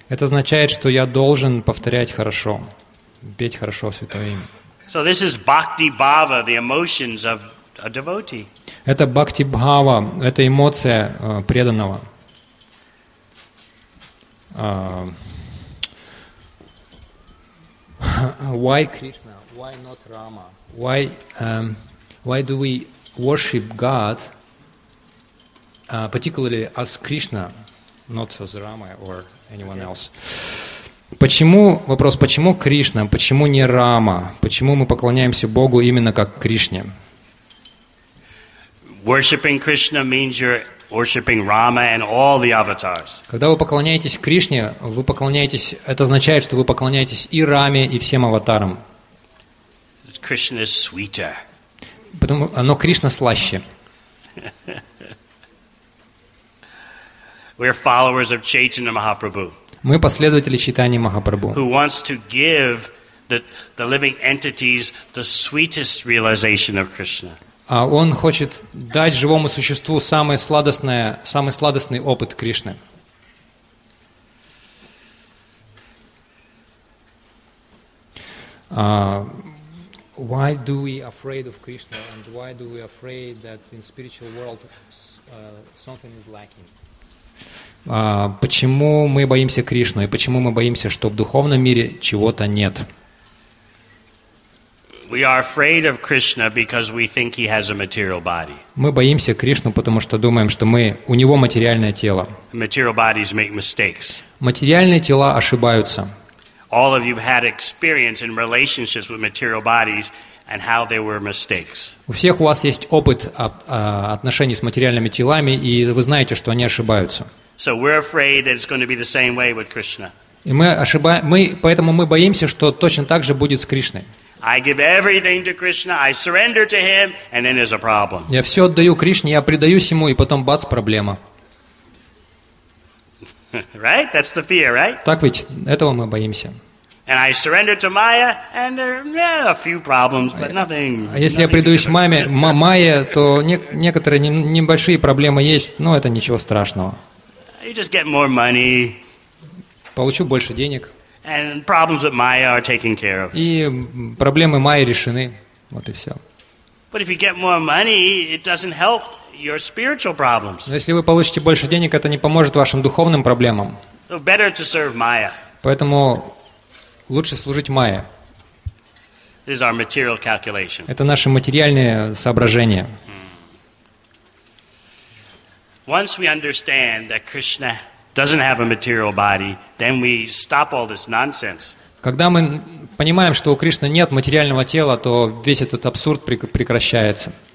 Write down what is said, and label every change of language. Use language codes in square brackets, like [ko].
[ru] Это означает, что я должен повторять хорошо, петь хорошо святое имя. [en] So this is bhakti bhava, the emotions of a devotee. [ru] Это бхакти-бхава, это эмоция преданного. [en] Why Krishna? Why not Rama? Why why do we worship God, particularly as Krishna, not as Rama or anyone else? [ru] Почему, вопрос, почему Кришна, почему не Рама? Почему мы поклоняемся Богу именно как Кришне? [en] Worshipping Krishna means you're worshipping Rama and all the avatars. [ru] Когда вы поклоняетесь Кришне, вы поклоняетесь, это означает, что вы поклоняетесь и Раме, и всем аватарам. [en] Krishna is sweeter. [ru] Потому, но Кришна слаще. [en] We're followers of Chaitanya Mahaprabhu. [ru] Мы последователи Чайтаньи Махапрабху. [en] Who wants to give the living entities the sweetest realization of Krishna. [ru] А он хочет дать живому существу самый сладостный опыт Кришны. [en] Why do we afraid of Krishna and why do we afraid that in spiritual world something is lacking? [ru] Почему мы боимся Кришну и почему мы боимся, что в духовном мире чего-то нет? [en] We are afraid of Krishna because we think he has a material body. [ru] Мы боимся Кришну, потому что думаем, что мы у него материальное тело. [en] Material bodies make mistakes. [ru] Материальные тела ошибаются. [en] All of you had experience in relationships with material bodies and how they were mistakes. [ru] У всех у вас есть опыт отношений с материальными телами, и вы знаете, что они ошибаются. [en] So we're afraid that it's going to be the same way with Krishna. [ru] И мы ошибаемся, поэтому мы боимся, что точно так же будет с Кришной. [en] I give everything to Krishna, I surrender to him, and then there's a problem. [ru] Я все отдаю Кришне, я предаюсь ему, и потом бац, проблема. [en] Right? That's the fear, right? [ru] Так ведь, этого мы боимся. [en] And I surrender to Maya, and there are a few problems, but nothing. [ru] А если я предаюсь маме, Майе, то некоторые небольшие проблемы есть, но это ничего страшного. [en] You just get more money. [ru] Получу больше денег. [en] And problems with Maya are taken care of. [ru] И проблемы Майи решены. Вот и все. [en] But if you get more money, it doesn't help your spiritual problems. [ru] Но если вы получите больше денег, это не поможет вашим духовным проблемам. [en] So better to serve Maya. [ru] Поэтому лучше служить Майе. [en] This is our material calculation. [ru] Это наши материальные соображения. [en] Once we understand that Krishna doesn't have a material body, then we stop all this nonsense. [ru] Когда мы понимаем, что у Кришны нет материального тела, то весь этот абсурд прекращается.